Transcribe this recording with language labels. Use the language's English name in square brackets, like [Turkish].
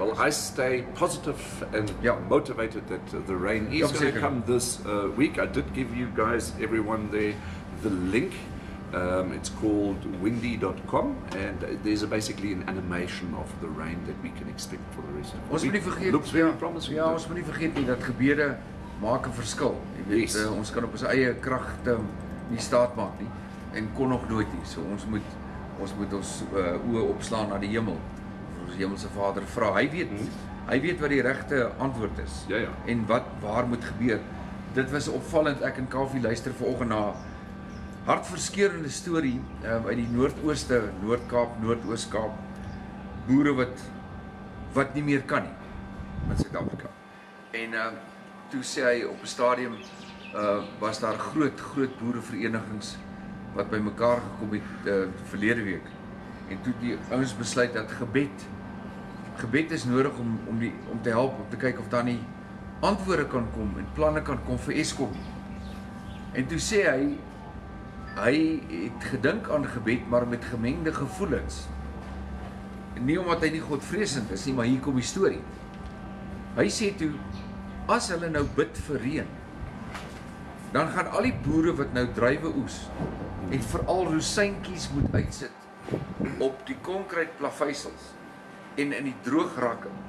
[English] Well, I stay positive and motivated that the rain is going to come this week. I did give you guys everyone the link. It's called windy.com and there's basically an animation of the rain that we can expect for the rest of the week. [Afrikaans] Ons moet nie vergeet ons moet nie vergeet nie dat gebeure maak 'n verskil. Jy weet, [English] yes. [Afrikaans] Ons kan op ons eie kragte nie staat maak nie en kon nog nooit nie. So ons moet ons oë opslaan na die hemel. Ons hemelse Vader vra. Hy weet wat die regte antwoord is. Ja ja. En wat waar moet gebeur? Dit was opvallend ek en Kaffie luister vanoggend na hartverskeurende storie uit die noordooste, Noord-Kaap, Noord-Oos-Kaap. Boere wat nie meer kan nie in Suid-Afrika. En toe sê hy op 'n stadium was daar groot boereverenigings wat by mekaar gekom het verlede week. En toe die ouens besluit dat gebed is nodig om te help om te kyk of daar nie antwoorde kan kom en planne kan kom vir Eskom. En toe sê hy het gedink aan gebed maar met gemengde gevoelens. Nie omdat hy nie godvreesend is nie, maar hier kom die storie. Hy sê toe as hulle nou bid vir reën, dan gaan al die boere wat nou druiwe oes en veral rosyntjies moet uitsit op die konkrete plaveisels en in die droograkke.